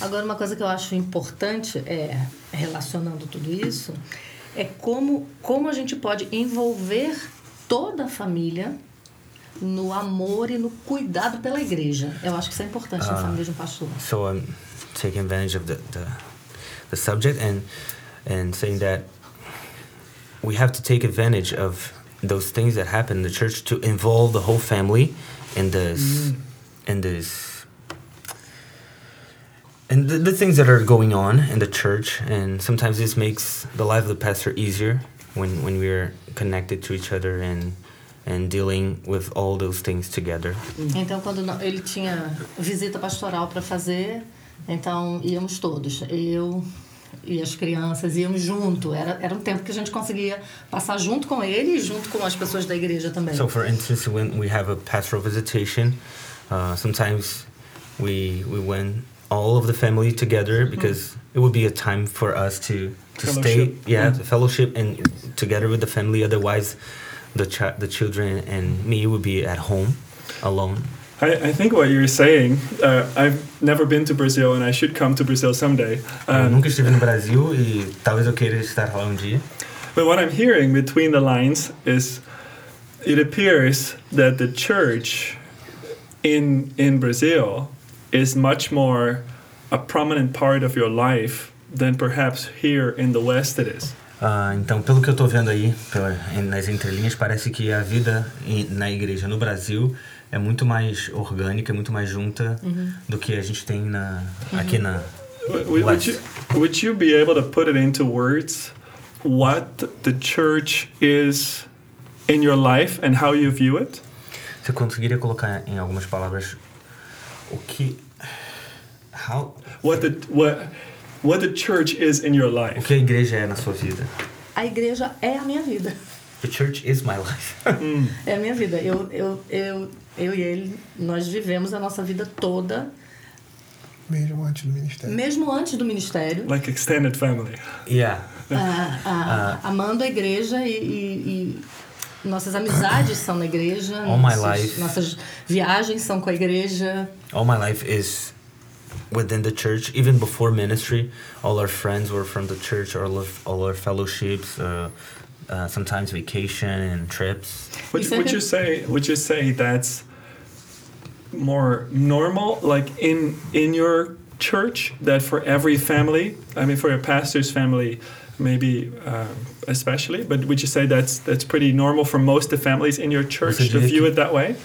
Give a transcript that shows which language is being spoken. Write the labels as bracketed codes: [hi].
[pt] Agora, uma coisa que eu acho importante, relacionando tudo isso, é como a gente pode envolver toda a família no amor e no cuidado pela igreja. Eu acho que isso é importante na família de um pastor. [en] So I'm taking advantage of the subject and saying that we have to take advantage of those things that happen in the church to involve the whole family in the things that are going on in the church. And sometimes this makes the life of the pastor easier when we are connected to each other and dealing with all those things together. [pt] Então, quando ele tinha visita pastoral para fazer, então íamos todos, eu e as crianças, íamos junto. Era um tempo que a gente conseguia passar junto com ele e junto com as pessoas da igreja também. [en] So, for instance, when we have a pastoral visitation, sometimes we went all of the family together because it would be a time for us to stay, the fellowship and together with the family. Otherwise, the children and me would be at home alone. I think what you're saying, I've never been to Brazil and I should come to Brazil someday. [pt] Eu nunca estive no Brasil e talvez eu queira estar lá dia. [en] But what I'm hearing between the lines is it appears that the church in Brazil is much more a prominent part of your life than perhaps here in the West it is. [pt] Então, pelo que eu estou vendo aí, nas entrelinhas, parece que a vida na igreja no Brasil é muito mais orgânica, muito mais junta do que a gente tem aqui na West. [en] Would you be able to put it into words what the church is in your life and how you view it? [pt] Você conseguiria colocar em algumas palavras o que... [en] How... What the church is in your life. [pt] O que a igreja é na sua vida? A igreja é a minha vida. [en] The church is my life. [pt] É a minha vida. Eu e ele, nós vivemos a nossa vida toda. Mesmo antes do ministério. Mesmo antes do ministério. [en] Like extended family. Yeah. [pt] Amando a igreja e nossas amizades são na igreja. [en] All my life. [pt] Nossas viagens são com a igreja. [en] All my life is within the church, even before ministry. All our friends were from the church, all our fellowships, sometimes vacation and trips. Would you say that's more normal, like in your church, that for every family, I mean for your pastor's family maybe especially, but would you say that's pretty normal for most of the families in your church to view it that way?